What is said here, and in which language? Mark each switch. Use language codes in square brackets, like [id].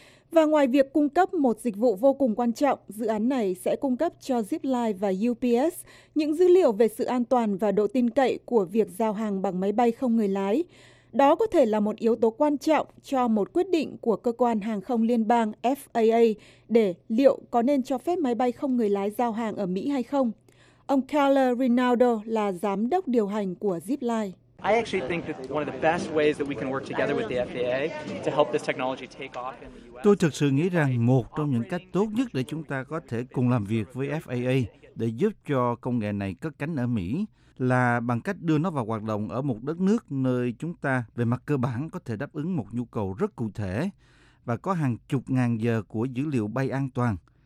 [vi] Và ngoài việc cung cấp một dịch vụ vô cùng quan trọng, dự án này sẽ cung cấp cho Zipline và UPS những dữ liệu về sự an toàn và độ tin cậy của việc giao hàng bằng máy bay không người lái. Đó có thể là một yếu tố quan trọng cho một quyết định của cơ quan hàng không liên bang FAA để liệu có nên cho phép máy bay không người lái giao hàng ở Mỹ hay không. Ông Keller Rinaldo là giám đốc điều hành của Zipline. [en] I actually think that one of the best ways that we can work together with the FAA to help this technology take off in the US. [vi] Tôi thực sự nghĩ rằng một trong những cách tốt nhất để chúng ta có thể cùng làm việc với FAA để giúp cho công nghệ này cất cánh ở Mỹ là bằng cách đưa nó vào hoạt động ở một đất nước nơi chúng ta về mặt cơ bản có thể đáp ứng một nhu cầu rất cụ thể và có hàng chục ngàn giờ của dữ liệu bay an toàn.